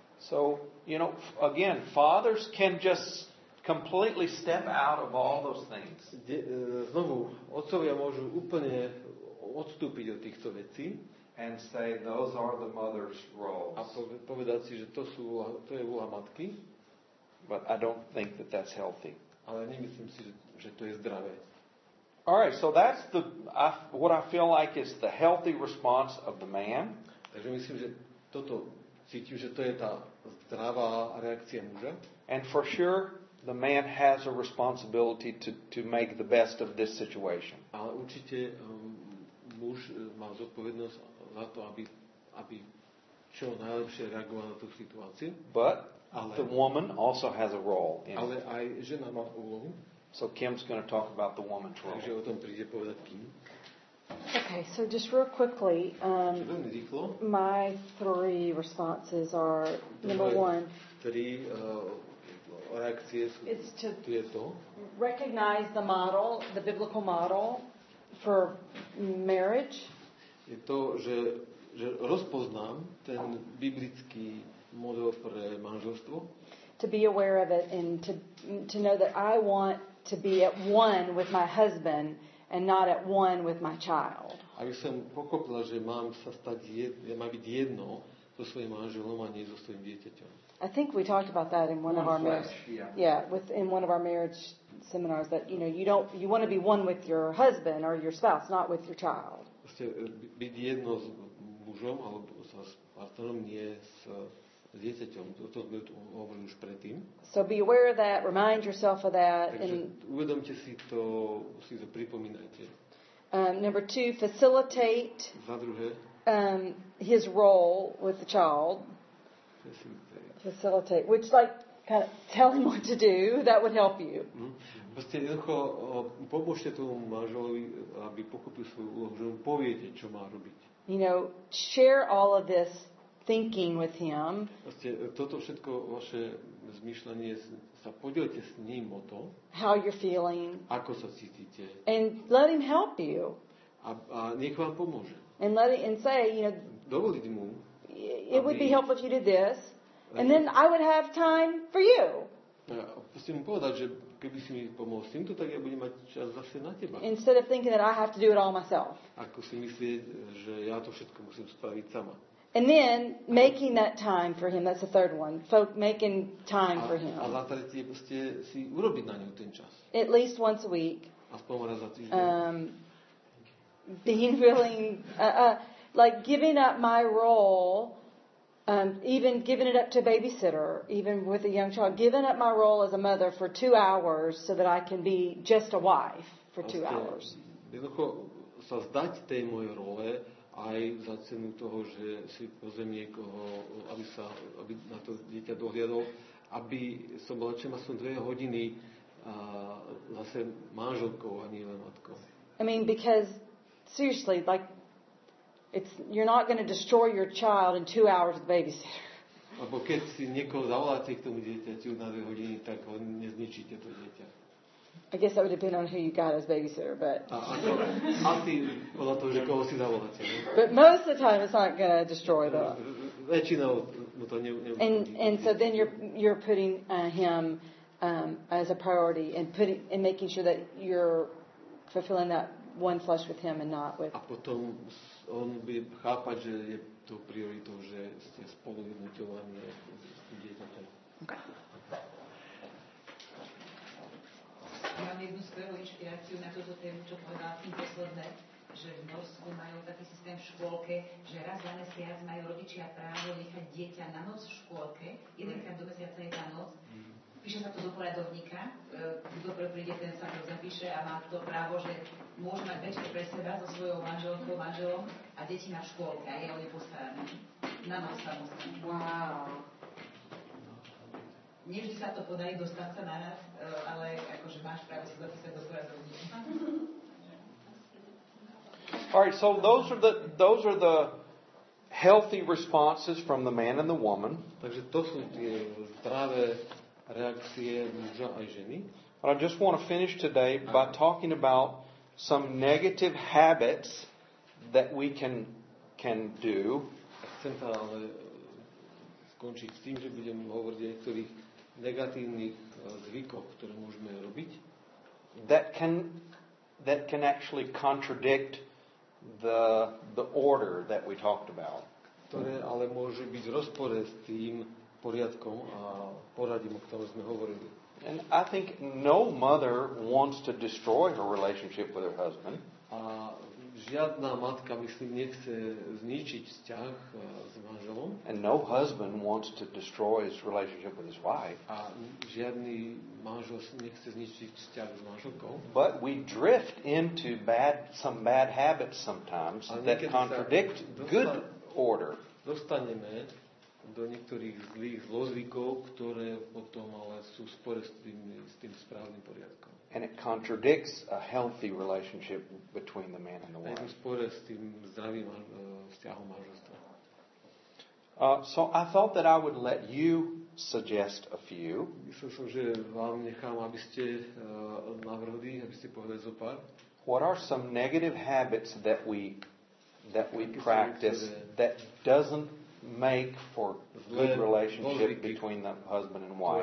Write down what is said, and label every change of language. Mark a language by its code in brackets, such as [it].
[en] So, you know, again, fathers can just completely step out of all those things. [sk] Znovu, otcovia môžu úplne odstúpiť od týchto vecí [en] and say those are the mother's roles. [sk] A povedať si, že to je úloha matky. [en] But I don't think that that's healthy. [sk] Ale nemyslím si, že to je zdravé. [en] All right, so that's what I feel like is the healthy response of the man. [sk] Takže myslím, že toto cítim, že to je tá zdravá reakcia muža. [en] And for sure, the man has a responsibility to make the best of this situation. [sk] Ale určite muž má zodpovednosť za to, aby čo najlepšie reagoval na tú situáciu. [en] But the woman also has a role in. [sk] Ale aj žena má úlohu. [en] So Kim's going to talk about the woman's role. [sk] Takže o tom príde povedať Kim. [en] Okay, so just real quickly, my three responses are, number one, it's to recognize the model, the biblical model for marriage. [sk] Je to, že rozpoznám ten biblický model pre manželstvo. [en] To be aware of it and to know that I want to be at one with my husband and not at one with my child. [sk] Aby som pochopila, že mám sa stať byť jedno so svojím manželom a nie so svojím dieťaťom. [en] I think we talked about that in one of our in one of our marriage seminars that you want to be one with your husband or your spouse, not with your child. [sk] Proste byť jedno s mužom alebo s partnerom, nie s dieťaťom. To sme tu hovorili už predtým. [en] So be aware of that, remind yourself of that. [sk] Takže uvedomte si to, si to pripomínajte. [en] Number two, facilitate [sk] za druhé [en] his role with the child. Facilitate. Which like kind of tell him what to do, that would help you. [sk] Proste jednoducho pomôžte tomu manželovi, aby pochopil svoju úlohu, že mu poviete, čo má robiť. [en] You know, share all of this thinking with him. [sk] Proste toto všetko vaše zmýšľanie, sa podielte s ním o to. [en] How you're feeling. [sk] Ako sa cítite. [en] And let him help you. [sk] A nech vám pomôže. [en] And let him, and say, you know, [sk] dovoliť mu, [en] it would be helpful if you did this. And then I would have time for you. [sk] Musím povedať, že keby si mi pomohol s týmto, tak ja budem mať čas zase na teba. [en] Instead of thinking that I have to do it all myself. [sk] Ako si myslieť, že ja to všetko musím spraviť sama. [en] And then making that time for him, that's the third one. Folk making time for him. [sk] A za tretí je proste si urobiť na ňu ten čas. [en] At least once a week. [sk] Aspoň raz za týždeň. [en] Being willing, like giving up my role. Even giving it up to a babysitter, even with a young child, giving up my role as a mother for 2 hours so that I can be just a wife for 2 hours. [sk] Jednoducho sa zdať tej mojej role aj za cenu toho, že si pozriem niekoho, aby na to dieťa dohliadol, aby som bola čo som 2 hodiny zase manželkou a nie len matkou. [en] I mean, because seriously, like, you're not going to destroy your child in 2 hours with the babysitter. [sk] Alebo keď si niekoho zavoláte k tomu dieťaťu na 2 hodiny, tak ho nezničíte, to dieťa. [en] I guess that would depend on who you got as babysitter, but... [sk] Asi podľa toho, že koho si zavoláte. [en] But most of the time it's not going to destroy the... [sk] Väčšinou mu to [en] And so then you're putting him as a priority and making sure that you're fulfilling that one flesh with him and not with... [sk] A potom on by chápať, že je to prioritou, že ste spolu jedno telo a nie dieťaťa. [en] Okay. [sk] Mám jednu svoju inšpiráciu na toto tému, čo povedala tým posledné, že v Norsku majú taký systém v škôlke, že raz za mesiac majú rodičia právo nechať dieťa na noc v škôlke, jedenkrát do mesiaca je tá noc, píše sa to do poradovníka, kto príde, ten sa to zapíše a má to právo, že môže mať večer pre seba so svojou manželkou, manželom a deti na škôlke a je o ne postarané. Na noc samozrejme. [en] Wow. [sk] Nie, že sa to podarí dostať sa naraz, ale akože máš právo si zapísať do poradovníka. [en] All right, so those are the healthy responses from the man and the woman. [sk] Takže to sú tie zdravé reakcie muža a ženy. [en] But I just want to finish today by talking about some negative habits that we can do. [sk] Chcem to ale skončiť s tým, že budem hovoriť o niektorých negatívnych zvykoch, ktoré môžeme robiť. [en] That can actually contradict the order that we talked about. [sk] Ktoré ale môže byť rozpore s tým poriadkom a poradím, o ktorom sme hovorili. [en] And I think no mother wants to destroy her relationship with her husband. [sk] A Žiadna matka, myslím, nechce zničiť vzťah s manželom. [en] And no husband wants to destroy his relationship with his wife. [sk] A žiadny manžel nechce zničiť vzťah s manželkou. [en] But we drift into some bad habits sometimes that contradict good order. [sk] Dostaneme do niektorých zlých zlozvykov, ktoré potom ale sú spore s tým správnym poriadkom. [en] And it contradicts a healthy relationship between the man and the wife. [sk] Spore s tým zdravým vzťahom manželstva. [en] So I thought that I would let you suggest a few. [sk] Myslím som, že vám nechám, aby ste navrhli, aby ste povedali zo pár. [en] What are some negative habits that we practice that doesn't make for good relationship between the husband and wife?